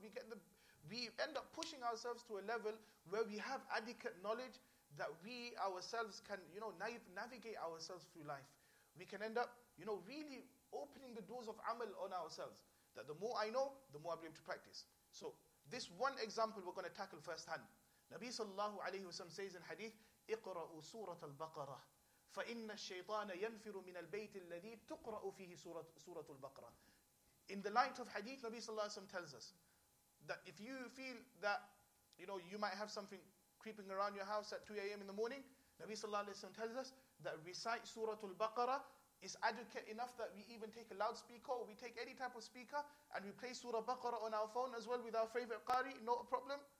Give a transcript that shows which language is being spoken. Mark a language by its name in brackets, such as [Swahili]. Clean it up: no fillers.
[English] We end up pushing ourselves to a level where we have adequate knowledge that we ourselves can, you know, navigate ourselves through life. We can end up, you know, really opening the doors of amal on ourselves. That the more I know, the more I'll be able to practice. So this one example we're going to tackle firsthand. Nabi sallallahu alayhi wa sallam says in hadith, [Arabic] اقرأوا سورة البقرة فإن الشيطان ينفر من البيت الذي تقرأ فيه سورة البقرة. [English] In the light of hadith, Nabi sallallahu alayhi wa sallam tells us that if you feel that, you know, you might have something creeping around your house at 2 a.m. in the morning, Nabi sallallahu alayhi wa sallam tells us that recite Surah Al-Baqarah is adequate enough that we even take a loudspeaker or we take any type of speaker and we play Surah Baqarah on our phone as well with our favorite Qari, not a problem.